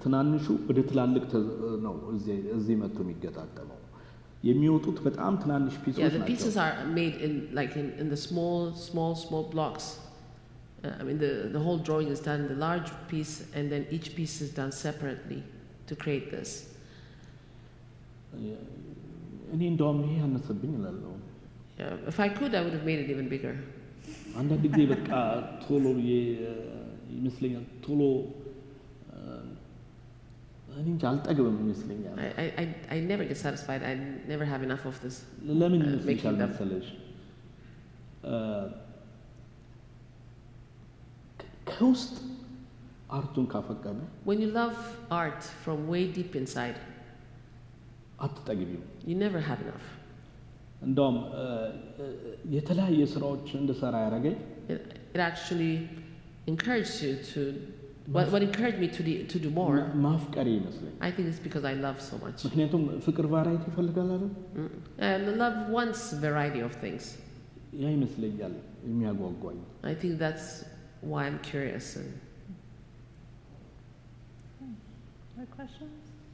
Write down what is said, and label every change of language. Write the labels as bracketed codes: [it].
[am] ትናንሹ ወደ ትላልቅ ነው እዚህ መጥቶ የሚገጣጠመው የሚወጡት በጣም ትናንሽ ፒሶች ናቸው [en] yeah the pieces are made in like in the small blocks I mean the whole drawing is done in the large piece and then each piece is done separately to create this [am] እኔ እንደውም ይሄ አነሰብኝ እላለሁ [en] if I could I would have made it even bigger [am] አንድ ጊዜ በቃ ቶሎ ይመስለኛል ቶሎ እኔ እንጃ አልጠግብም ይመስለኛል [en] I never get satisfied I never have enough of this [am] ለምን ይመስለኛል መሰለሽ ከውስጥ አርቱን ካፈቀደ [en] when you love art from way deep inside [am] አትጠግብም [en] you never have enough [am] እንዶም የተለያየ ስራዎች እንድሰራ ያረጋል [en] it actually encourages you to what encouraged me to do more [am] ማፍቀሪ ይመስለኝ [en] i think it's because i love so much [am] ምክንያቱም ፍቅር ቫራይቲ ይፈልጋል አይደል [en] and love wants variety of things [am] ያ ይመስለኛል የሚያጓጓኝ [en] i think that's why i'm curious and other questions